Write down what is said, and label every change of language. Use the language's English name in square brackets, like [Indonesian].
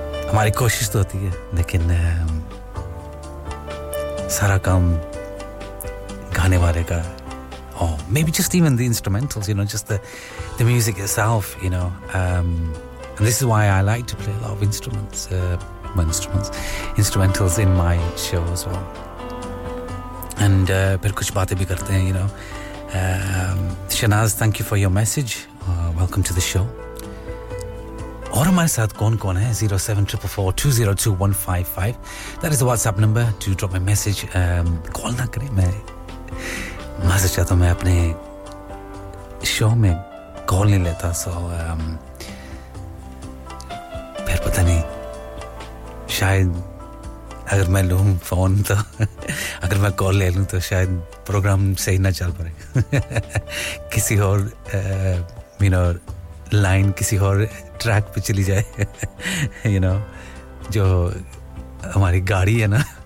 [Hindi] हमारी कोशिश तो होती है लेकिन सारा काम गाने वाले का [English] or maybe just even the instrumentals, you know, just the music itself, you know. And this is why I like to play a lot of instrumentals in my show as well. [Hindi] And फिर कुछ बातें भी करते हैं, you know. [English] Shanaz, thank you for your message. Welcome to the show. [Hindi] और हमारे साथ कौन कौन है? 07444202155. [English] That is the WhatsApp number to drop my message. [Hindi] Call ना करें मैं. मैं सोचा तो मैं अपने शो में कॉल नहीं लेता सो फिर पता नहीं शायद अगर मैं लूँ फोन तो अगर मैं कॉल ले लूँ तो शायद प्रोग्राम सही ना चल पड़े किसी और यू नो लाइन किसी और ट्रैक पे चली जाए यू नो जो हमारी गाड़ी है ना